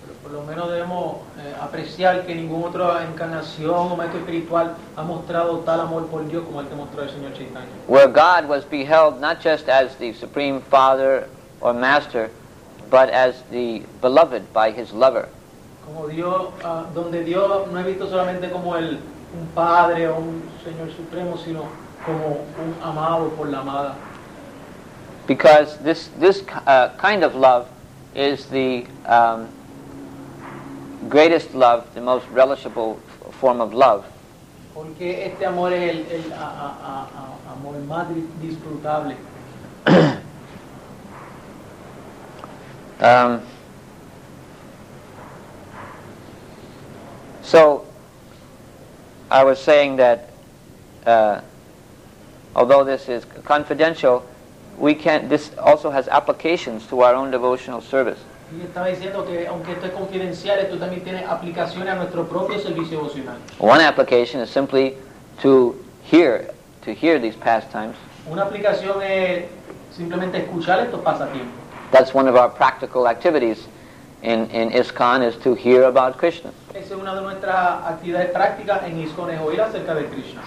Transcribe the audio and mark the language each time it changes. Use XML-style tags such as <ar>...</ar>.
<es>Por lo menos debemos apreciar que ninguna otra encarnación o maestro espiritual ha mostrado tal amor por Dios como el que mostró el Señor Chaitanya.</es> <en>Where God was beheld not just as the Supreme Father or Master, but as the Beloved by His Lover.</en> <es>Como Dios, donde Dios no es visto solamente como un Padre o un Señor Supremo, sino como un amado por la amada.</es> <en>Because this kind of love is the greatest love, the most relishable form of love.</en> <es>Porque este amor es el amor más disfrutable.</es> <en>So, I was saying that although this is confidential, this also has applications to our own devotional service.</en> <es>Y estaba diciendo que aunque esto es confidencial, esto también tiene aplicaciones a nuestro propio servicio devocional.</es> <en>One application is simply to hear these pastimes.</en> <es>Una aplicación es simplemente escuchar estos pasatiempos.</es> <en>That's one of our practical activities in ISKCON, is to hear about Krishna.</en> <es>Esa es una de nuestras actividades prácticas en ISKCON, es oír acerca de Krishna.</es>